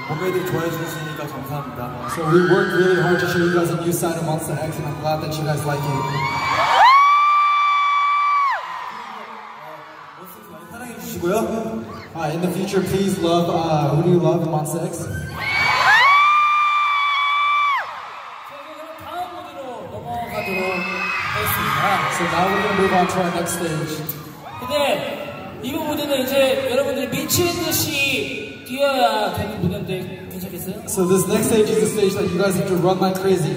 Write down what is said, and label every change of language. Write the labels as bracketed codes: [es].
[en] So we worked really hard to show you guys a new side of Monsta X, and I'm glad that you guys like it. In the future, please love, who do you love in Monsta X? So now we're going to move on to our next stage. [ko] 이번 무대는 이제 여러분들이 미친 듯이 뛰어야 되는 무대인데 괜찮겠어요? [en] So this next stage is the stage that you guys have to run like crazy.